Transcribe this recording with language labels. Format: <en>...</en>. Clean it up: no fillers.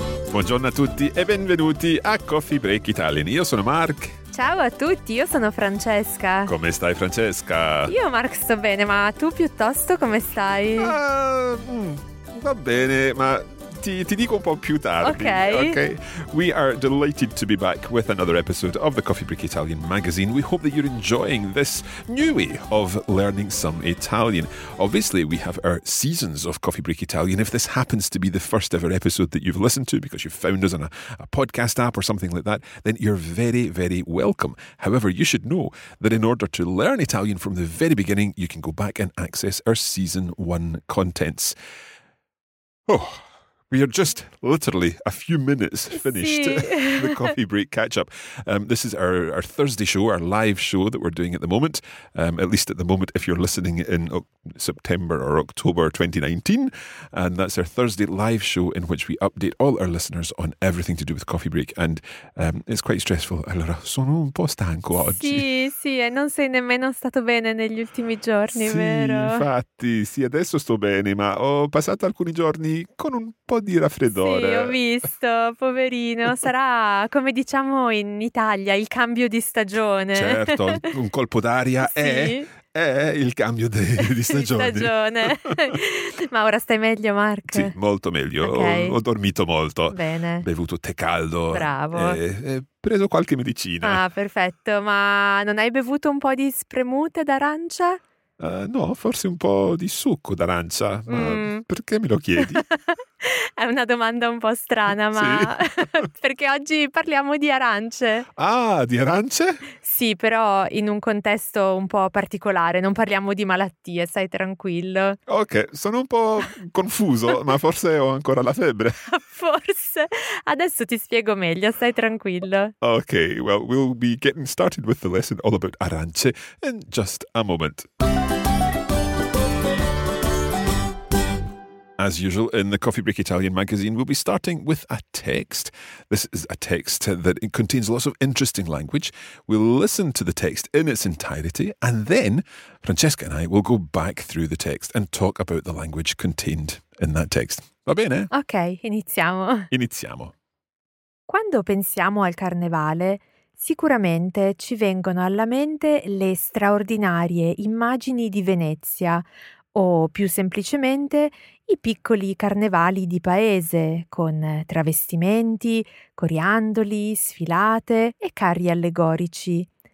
<it>Buongiorno a tutti e benvenuti a Coffee Break Italian. Io sono Mark. Ciao a tutti, io sono Francesca. Come stai, Francesca? Io, Mark, sto bene, ma tu piuttosto come stai? Va bene, ma ti dico un po' più tardi. Okay.</it> <en>We are delighted to be back with another episode of the Coffee Break Italian magazine. We hope that you're enjoying this new way of learning some Italian. Obviously, we have our seasons of Coffee Break Italian. If this happens to be the first ever episode that you've listened to because you've found us on a podcast app or something like that, then you're very, very welcome. However, you should know that in order to learn Italian from the very beginning, you can go back and access our season one contents. Oh, we are just literally a few minutes finished the coffee break catch-up. This is our Thursday show, our live show that we're doing at the moment, at least at the moment if you're listening in September or October 2019. And that's our Thursday live show in which we update all our listeners on everything to do with coffee break. And it's quite stressful.</en> <it>Allora, sono un po' stanco oggi. Sì, sì, e non sei nemmeno stato bene negli ultimi giorni, sì, vero? Sì, infatti, sì, adesso sto bene, ma ho passato alcuni giorni con un po' di raffreddore. Sì, ho visto, poverino. Sarà, come diciamo in Italia, il cambio di stagione. Certo, un colpo d'aria sì. È il cambio di stagione. Di stagione. Ma ora stai meglio, Mark? Sì, molto meglio. Okay. Ho dormito molto. Bene. Bevuto tè caldo. Bravo. E preso qualche medicina. Ah, perfetto. Ma non hai bevuto un po' di spremute d'arancia? No, forse un po' di succo d'arancia, ma perché me lo chiedi? È una domanda un po' strana, ma sì. Perché oggi parliamo di arance. Ah, di arance? Sì, però in un contesto un po' particolare, non parliamo di malattie, stai tranquillo. Ok, sono un po' confuso, ma forse ho ancora la febbre. Forse, adesso ti spiego meglio, stai tranquillo.</it> <en>Ok, well, we'll be getting started with the lesson all about arance in just a moment. As usual, in the Coffee Break Italian magazine, we'll be starting with a text. This is a text that contains lots of interesting language. We'll listen to the text in its entirety, and then Francesca and I will go back through the text and talk about the language contained in that text.</en> <it>Va bene? Ok, iniziamo. Iniziamo. Quando pensiamo al carnevale, sicuramente ci vengono alla mente le straordinarie immagini di Venezia, o più semplicemente i piccoli carnevali di paese con travestimenti, coriandoli, sfilate e carri allegorici.</it>